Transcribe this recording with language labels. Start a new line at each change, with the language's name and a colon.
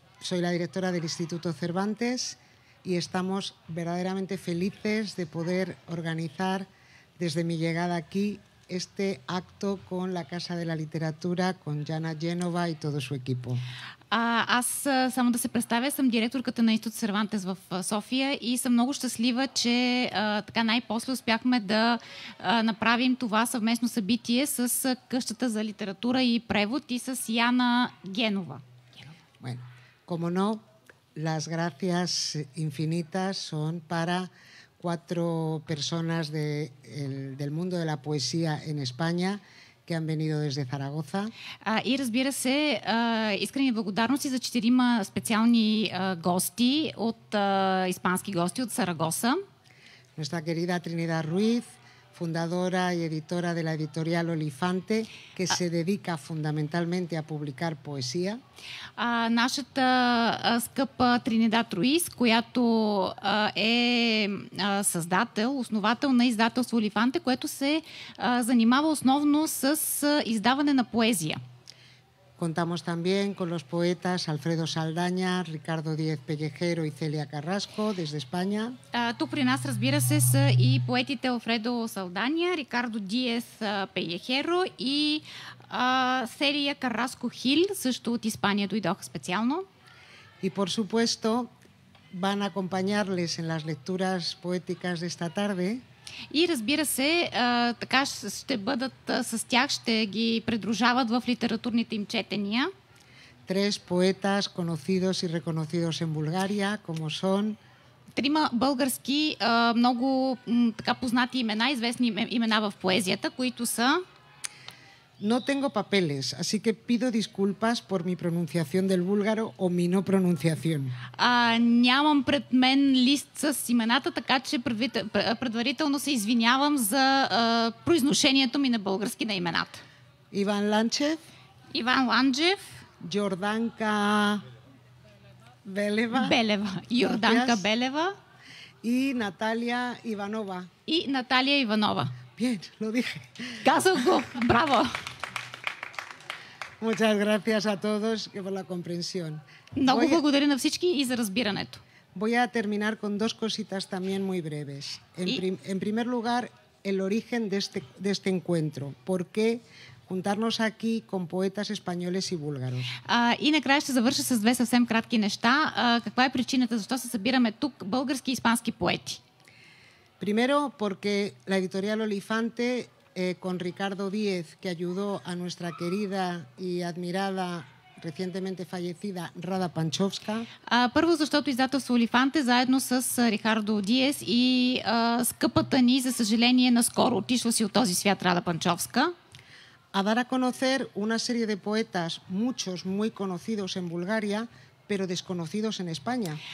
Spanish: Soy la directora del Instituto Cervantes y estamos verdaderamente felices de poder organizar desde mi llegada aquí este acto con la Casa de la Literatura, con Jana Genova y todo su equipo.
Bulgarian: Аз само да се представя, съм директорката на Институт Сервантес в София и съм много щастлива, че така най-после успяхме да направим това съвместно събитие с Къщата за литература и превод и с Яна Генова.
Spanish: Bueno, como no, las gracias infinitas son para cuatro personas del mundo de la poesía en España que han venido desde Zaragoza.
Bulgarian: И разбира се, искрени благодарности за четирима специални гости от испански гости от Сарагоса.
Spanish: Nuestra querida Trinidad Ruiz, fundadora y editora de la editorial Olifante, que se dedica fundamentalmente a publicar poesía.
Bulgarian: Нашата скъпа Тринидад Руис, която е създател, основател на издателство Олифанте, което се занимава основно с издаване на поезия.
Spanish: Contamos también con los poetas Alfredo Saldaña, Ricardo Díez Pellejero y Celia Carrasco desde España.
Bulgarian: Тук при нас, разбира се, са и поетите Алфредо Салдания, Рикардо Диес Пелехеро и Селия Карраско Хил, също от Испания дойдоха специално.
Spanish: Y por supuesto, van a acompañarles en las lecturas poéticas de esta tarde.
Bulgarian: И разбира се, така ще бъдат с тях, ще ги придружават в литературните им четения.
Spanish: Tres poetas conocidos y reconocidos en Bulgaria, como son...
Bulgarian: Трима български много така познати имена, известни имена в поезията, които са...
Spanish: No tengo papeles, así que pido disculpas por mi pronunciación del búlgaro o mi no pronunciación.
Bulgarian: Нямам пред мен лист с имената, така че предварително се извинявам за произношението ми на български на имената. Иван Ланчев. Иван Ланчев. Йорданка Белева. Белева. Йорданка Белева. И Наталия Иванова. И Наталия Иванова.
Spanish: Bien, lo dije.
Bulgarian: Казах го. Браво.
Spanish: Muchas gracias a todos y por la comprensión.
Bulgarian: Много благодаря на всички и за разбирането.
Spanish: Voy a terminar con dos cositas también muy breves. En primer lugar, el origen de este encuentro. ¿Por qué juntarnos aquí con poetas españoles y búlgaros?
Bulgarian: И накрая ще завърша с две съвсем кратки неща. Каква е причината, защо се събираме тук български и испански поети?
Spanish: Primero, porque la editorial Olifante... con Ricardo Díez, que ayudó a nuestra querida y admirada, recientemente fallecida, Rada Panchovska.
Bulgarian: Първо, защото издателство Олифанте, заедно с Рикардо Диес и скъпата ни, за съжаление, наскоро отишла си от този свят Рада Панчовска.
Spanish: A dar a conocer una serie de poetas, muchos muy conocidos en Bulgaria, pero desconocidos en España.